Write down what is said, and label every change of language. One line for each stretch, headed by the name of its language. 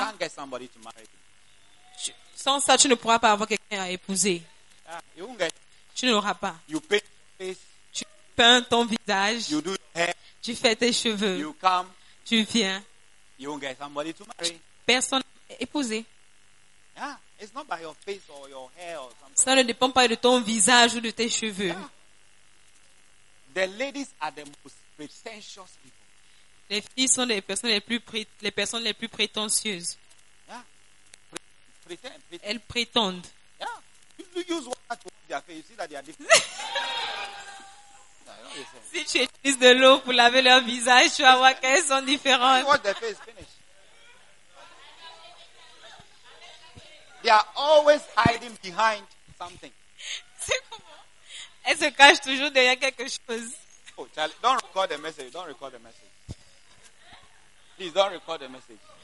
English: you can't get somebody to marry you.
French: Sans ça, tu ne pourras pas avoir quelqu'un à épouser.
English: You won't get.
French: Tu ne l'auras pas.
English: You paint your face.
French: Tu peins ton visage.
English: You do your hair.
French: Tu fais tes cheveux.
English: You come.
French: Tu viens.
English: You won't get somebody to marry.
French: Personne à épouser.
English: Yeah, it's not by your face or your hair or something.
French: Ça ne dépend pas de ton visage ou de tes cheveux.
English: Yeah. The ladies are the most pretentious people.
French: Les filles sont les personnes les plus prétentieuses.
English: pretend.
French: Elles prétendent.
English: Yeah. You use water to wash their face. You see that they are different.
French: Si tu utilises de l'eau pour laver leur visage, tu vas voir qu'elles sont différentes.
English: Watch their face. Finish. They are always hiding behind something.
French: C'est comment? Elles se cachent toujours derrière quelque chose.
English: Oh, Charlie, don't record the message. Don't record the message. Please don't record the message.